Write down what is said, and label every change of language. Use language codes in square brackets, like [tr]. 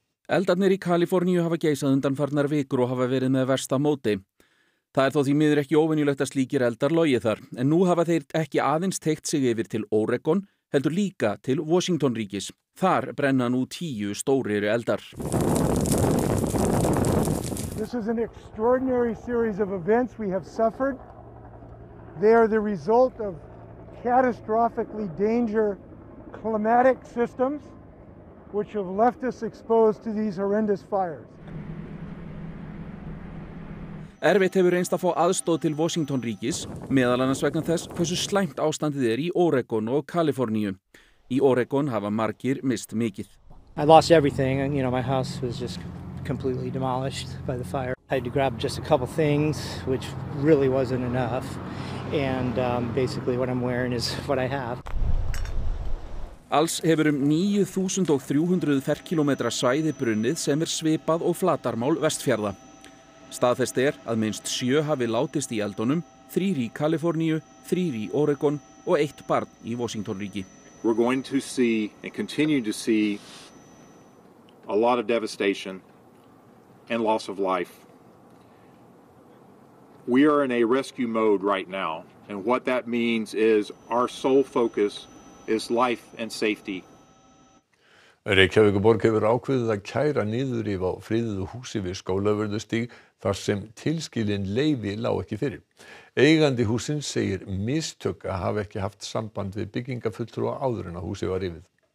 [is] Eldarnir í Kaliforníu hafa geisað undanfarnar vikur og hafa verið með versta móti. Það þó því miður ekki óvenjulegt að slíkir eldar logi þar, en nú hafa þeir ekki aðeins teikt sig yfir til Oregon, heldur líka til Washington ríkis. Þar brenna nú 10 stórir eldar. [en] This is an extraordinary series of events we have suffered. They are the result of catastrophically dangerous climatic systems which have left us exposed to these horrendous fires. [is] Erfitt hefur reynst að fá aðstoð til Washington ríkis, meðal annars vegna þess hversu slæmt ástandið í Oregon og Kaliforníu. Í Oregon hafa margir mist mikið. [en] I lost everything, and, you know, my house was just completely demolished by the fire. I had to grab just a couple things, which really wasn't enough, and basically what I'm wearing is what I have. [is] Alls hefur 9300 ferkilometra svæði brunnið sem svipað og flatarmál Vestfjarða. Staðfest að minnst 7 hafi látist í eldunum, 3 í Kaliforníu, 3 í Oregon og 1 barn í Washington ríki. [en] We're going to see and continue to see a lot of devastation and loss of life. We are in a rescue mode right now, and what that means is our sole focus is life and safety. [is] Reykjavíkurborg hefur ákveðið að kæra niðurrif á friðuðu húsi við Skólavörðustíg þar sem tilskilin leyfi lá ekki fyrir. Eigandi húsins segir mistök að hafa ekki haft samband við byggingafulltrúa áður en að húsið var rifið.